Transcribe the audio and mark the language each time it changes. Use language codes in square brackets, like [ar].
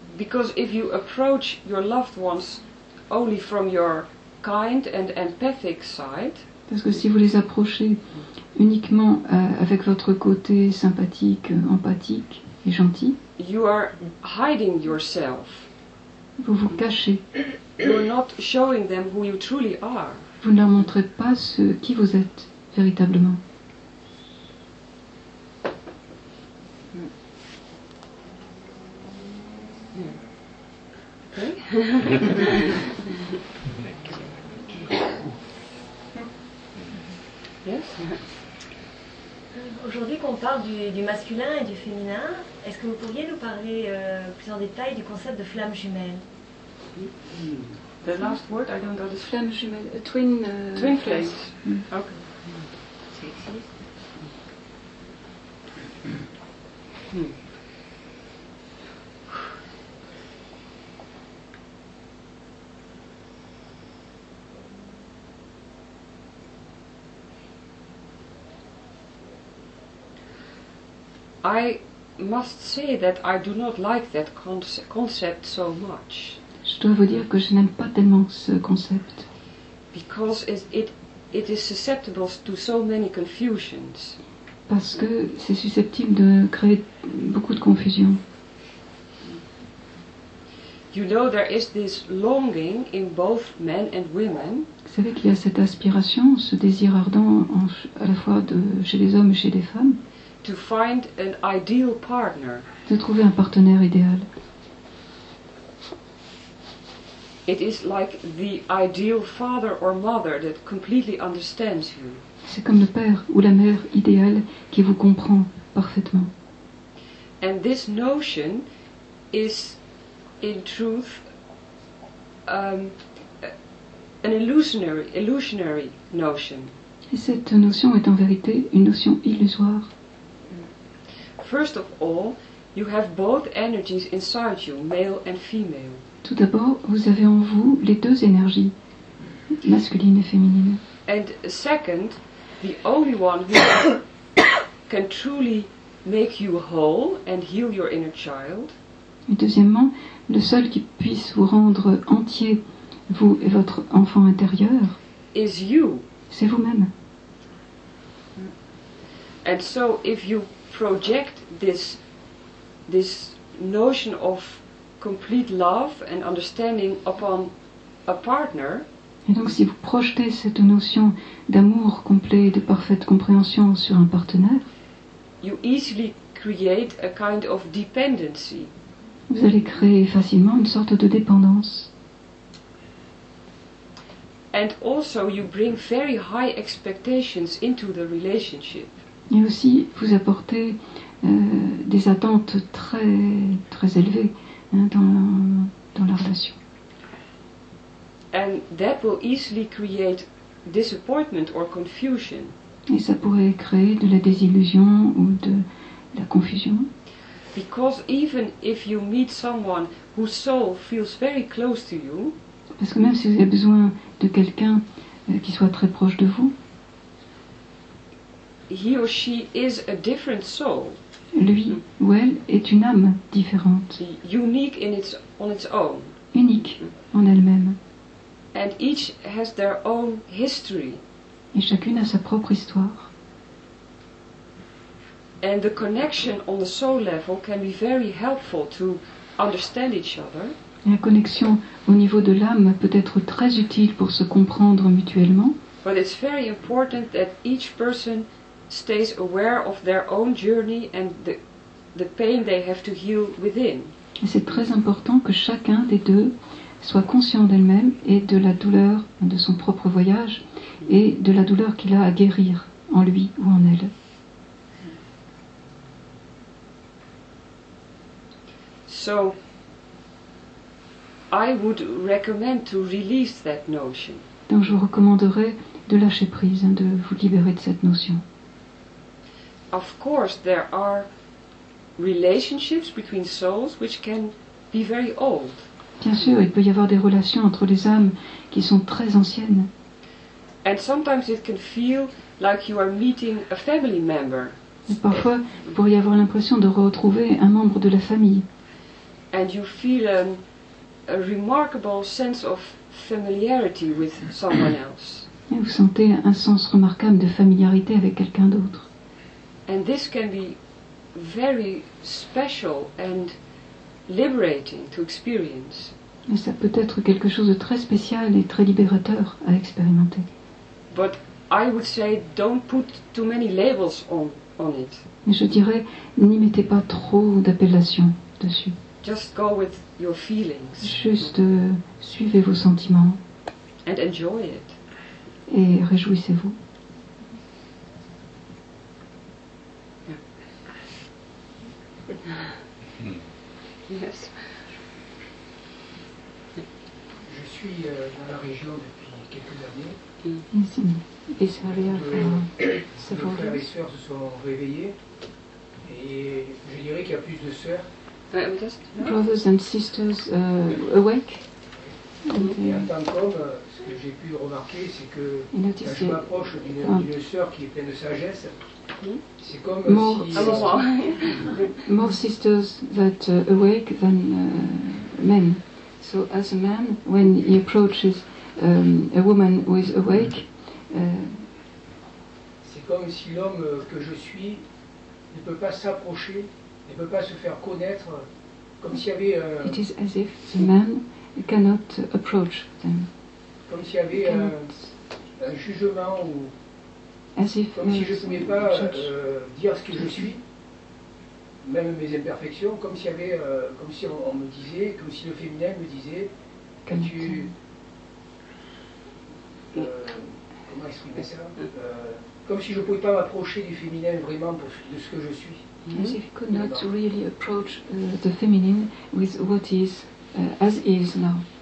[en] Because if you approach your loved ones only from your kind and empathic side. [fr] Parce que si vous les approchez uniquement avec votre côté sympathique, empathique et gentil. [en] You are hiding yourself. [fr] Vous vous cachez. [en] You're not showing them who you truly are. [fr] Vous ne leur montrez pas ce qui vous êtes véritablement. [en] Okay. Yes. [fr] Aujourd'hui qu'on parle du masculin et du féminin, est-ce que vous pourriez nous parler plus en détail du concept de flamme jumelle? [en] The last word, I don't know. The [fr] flamme jumelle, twin. [en] Twin flames. Flames. Mm. Okay. I must say that I do not like that concept so much. [fr] Je dois vous dire que je n'aime pas tellement ce concept. [en] Because it is susceptible to so many confusions. [fr] Parce que c'est susceptible de créer beaucoup de confusion. [en] You know, there is this longing in both men and women. [fr] Vous savez qu'il y a cette aspiration, ce désir ardent à la fois chez les hommes et chez les femmes. [en] To find an ideal partner. [fr] De trouver un partenaire idéal. [en] It is like the ideal father or mother that completely understands you. [fr] C'est comme le père ou la mère idéal qui vous comprend parfaitement. [en] And this notion is in truth an illusionary notion. [fr] Et cette notion est en vérité une notion illusoire. [en] First of all, you have both energies inside you, male and female. [fr] Tout d'abord, vous avez en vous les deux énergies, masculine et féminine. [en] And second, the only one who can truly make you whole and heal your inner child. [fr] Et deuxièmement, le seul qui puisse vous rendre entier, vous et votre enfant intérieur, [en] is you. [fr] C'est vous-même. [en] And so if you project this notion of complete love and understanding upon a partner. [fr] Et donc, si vous projetez cette notion d'amour complet, de parfaite compréhension sur un partenaire, [en] you easily create a kind of dependency. [fr] Vous allez créer facilement une sorte de dépendance. [en] And also, you bring very high expectations into the relationship. [fr] Et aussi, vous apportez des attentes très très élevées hein, dans la relation. [en] And that will easily create disappointment or confusion. [fr] Et ça pourrait créer de la désillusion ou de la confusion. [en] Because even if you meet someone whose soul feels very close to you, [fr] parce que même si vous avez besoin de quelqu'un qui soit très proche de vous, [en] he or she is a different soul. [fr] Lui ou elle est une âme différente. [en] Unique in its on its own. [fr] Unique en elle-même. [en] And each has their own history. [fr] Et chacune a sa propre histoire. [en] And the connection on the soul level can be very helpful to understand each other. [fr] La connexion au niveau de l'âme peut être très utile pour se comprendre mutuellement. [en] But it's very important that each person stays aware of their own journey and the pain they have to heal within. [fr] Et c'est très important que chacun des deux soit conscient d'elle-même et de la douleur de son propre voyage et de la douleur qu'il a à guérir en lui ou en elle. [en] So I would recommend to release that notion. [fr] Donc je vous recommanderais de lâcher prise, de vous libérer de cette notion. [en] Of course, there are relationships between souls which can be very old. [fr] Bien sûr, il peut y avoir des relations entre les âmes qui sont très anciennes. [en] And sometimes it can feel like you are meeting a family member. [fr] Et parfois, vous pourriez avoir l'impression de retrouver un membre de la famille. [en] And you feel a remarkable sense of familiarity with someone else. [fr] Vous sentez un sens remarquable de familiarité avec quelqu'un d'autre. [en] And this can be very special and liberating to experience. [fr] Et ça peut être quelque chose de très spécial et très libérateur à expérimenter. [en] But I would say don't put too many labels on it. [fr] Mais je dirais, n'y mettez pas trop d'appellations dessus. [en] Just go with your feelings. [fr] Juste suivez vos sentiments. [en] And enjoy it. [fr] Et réjouissez-vous. [en] Yes. [fr] Je suis dans la région depuis quelques années. Nos frères et sœurs se sont réveillés. Et je dirais qu'il y a plus de sœurs. [en] Brothers and sisters awake. [fr] Et en tant qu'homme, ce que j'ai pu remarquer, c'est que quand je m'approche d'une sœur qui est pleine de sagesse, c'est comme [en] more sisters that awake than men. So as a man, when he approaches a woman who is awake, [fr] c'est comme si l'homme que je suis ne peut pas s'approcher, ne peut pas se faire connaître, comme s'il y avait. [en] It is as if the man cannot approach them. [fr] Comme s'il y avait un jugement ou. [en] As if [fr] comme si je ne pouvais pas dire ce que je suis, même mes imperfections, comme s'il y avait, comme si on me disait, comme si le féminin me disait, que tu. Comment exprimer ça? Comme si je ne pouvais pas m'approcher du féminin vraiment de ce que je suis. [en] As if you could not really approach the feminine with what is as is now.